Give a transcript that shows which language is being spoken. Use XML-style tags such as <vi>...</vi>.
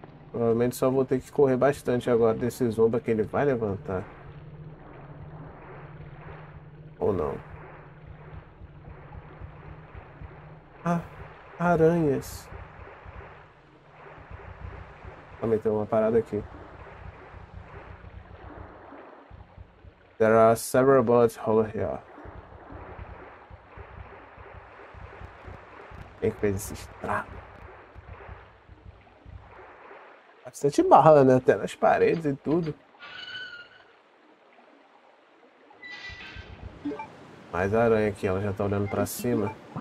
<pt>Provavelmente só vou ter que correr bastante agora desse zomba que ele vai levantar. Ou não? Ah, aranhas. Vou meter uma parada aqui.</pt> <en>There are several bullets holes here.</en> <pt>Tem que fazer esse estrago. Bastante bala, né? Até nas paredes e tudo. Mais aranha aqui, ela já tá olhando pra cima.</pt>